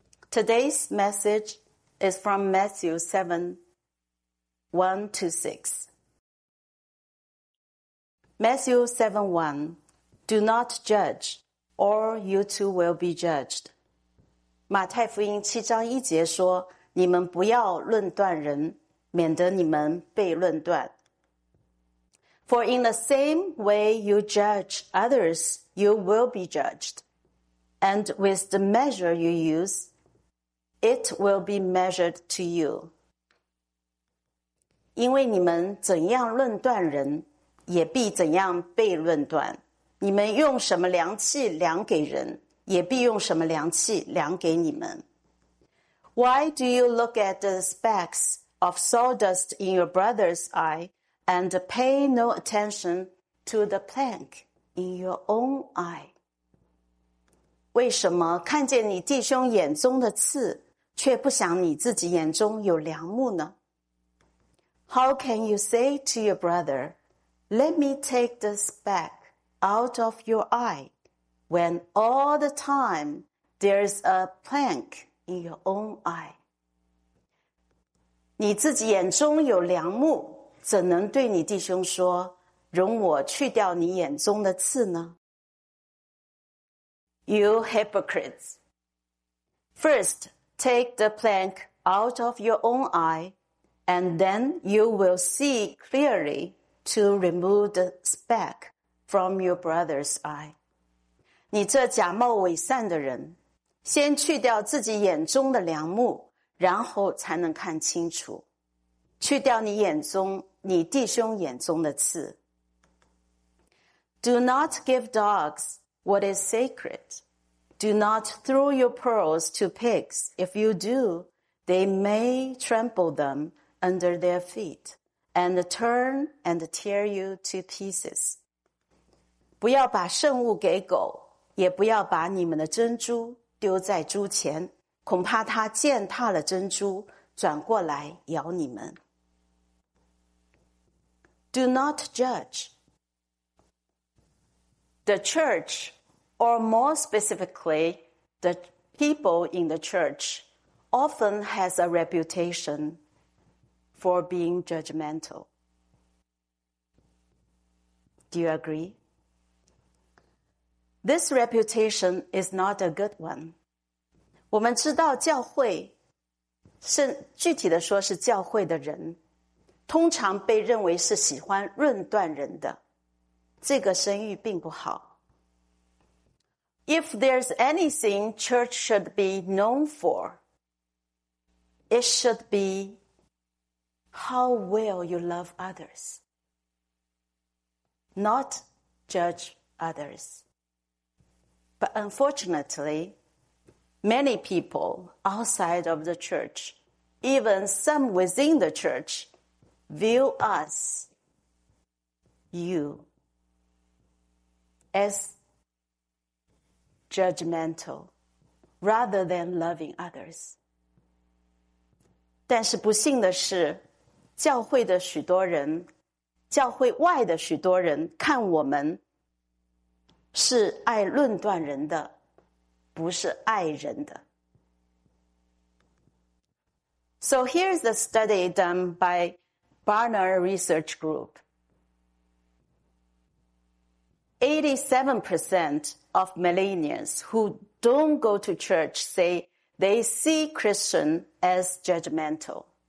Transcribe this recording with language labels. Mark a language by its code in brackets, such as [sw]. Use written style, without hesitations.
[en] Today's message is from Matthew 7:1-6. Matthew 7:1, do not judge, or you too will be judged. [zh] 马太福音七章一节说，你们不要论断人，免得你们被论断。 [en] For in the same way you judge others, you will be judged. And with the measure you use, it will be measured to you. [zh] 因为你们怎样论断人，也必怎样被论断。你们用什么量器量给人，也必用什么量器量给你们。 [en] Why do you look at the specks of sawdust in your brother's eye and pay no attention to the plank in your own eye? [zh] 为什么看见你弟兄眼中的刺，却不想你自己眼中有梁木呢？ [en] How can you say to your brother, let me take the speck out of your eye, when all the time there is a plank in your own eye? [zh] 你自己眼中有梁木，怎能对你弟兄说，容我去掉你眼中的刺呢？ [en] You hypocrites. First, take the plank out of your own eye,And then you will see clearly to remove the speck from your brother's eye. [zh] 你这假冒伪善的人，先去掉自己眼中的梁木，然后才能看清楚。去掉你眼中，你弟兄眼中的刺。 [en] Do not give dogs what is sacred. Do not throw your pearls to pigs. If you do, they may trample them. Under their feet, and turn and tear you to pieces. [zh] 不要把圣物给狗，也不要把你们的珍珠丢在猪前，恐怕它践踏了珍珠，转过来咬你们。 [en] Do not judge. The church, or more specifically, the people in the church, often has a reputation. For being judgmental. Do you agree? This reputation is not a good one. [zh] 我们知道教会是，具体的说是教会的人，通常被认为是喜欢论断人的，这个声誉并不好。 [en] If there's anything church should be known for, it should beHow well you love others, not judge others. But unfortunately, many people outside of the church, even some within the church, view us, you, as judgmental rather than loving others. [zh] 但是不幸的是教会的许多人，教会外的许多人看我们是爱论断人的，不是爱人的。 [en] So here's the study done by Barner Research Group. 87% of millennials who don't go to church say they see Christian as judgmental.